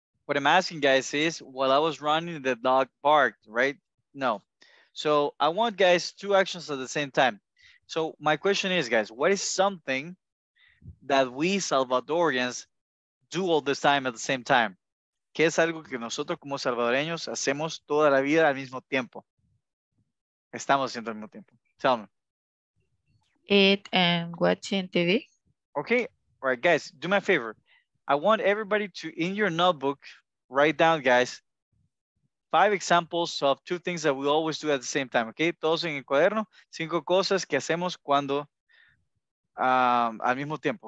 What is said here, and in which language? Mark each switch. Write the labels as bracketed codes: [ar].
[en] What I'm asking, guys, is while I was running, the dog barked, right? No. So I want, guys, two actions at the same time. So my question is, guys, what is something that we Salvadorians do all the time at the same time? [es] ¿Qué es algo que nosotros como salvadoreños hacemos toda la vida al mismo tiempo? Estamos haciendo al mismo tiempo. [en] Tell me. Eat and watching TV. Okay. All right, guys, do me a favor. I want everybody to, in your notebook, write down, guys, five examples of two things that we always do at the same time. [es] Okay? Todos en el cuaderno. Cinco cosas que hacemos cuando al mismo tiempo.